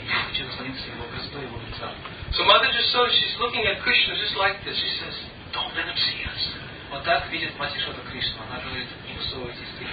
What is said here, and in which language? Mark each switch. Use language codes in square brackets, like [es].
[ru] И хочу насладиться его красотой, его лица. [en] So Mother Jasoda, she's looking at Krishna just like this. She says, "Don't let him see us." [ru] Вот так видит Мать Ясода Кришну. Она говорит, не высовывайтесь.